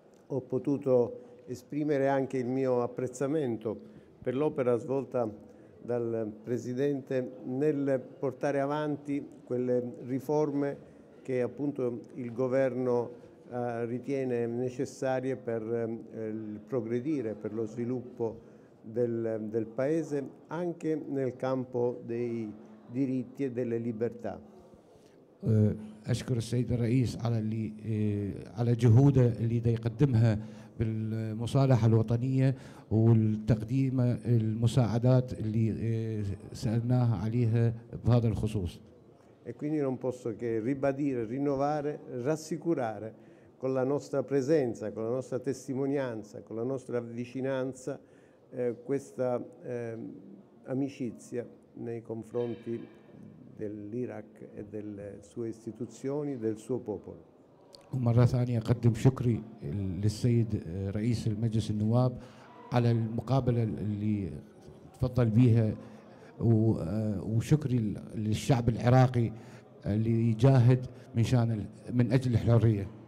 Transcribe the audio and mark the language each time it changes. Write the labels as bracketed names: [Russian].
[Italian] Ho potuto esprimere anche il mio apprezzamento per l'opera svolta dal Presidente nel portare avanti quelle riforme che appunto il Governo ritiene necessarie per il progredire, per lo sviluppo del Paese, anche nel campo dei diritti e delle libertà. [Arabic] أشكر السيد الرئيس على اللي على جهوده اللي دا يقدمها بالمصالحة الوطنية والتقديم المساعدات اللي سألناها عليها بهذا الخصوص. [Italian] E quindi non posso che ribadire, rinnovare, rassicurare con la nostra presenza, con la nostra testimonianza, con la nostra vicinanza questa amicizia nei confronti dell'Iraq e delle sue istituzioni, del suo popolo. [Arabic] ومرة ثانية أقدم شكري للسيد رئيس المجلس النواب على المقابلة اللي تفضل بيها وشكري للشعب العراقي اللي يجاهد من شان من أجل الحرية.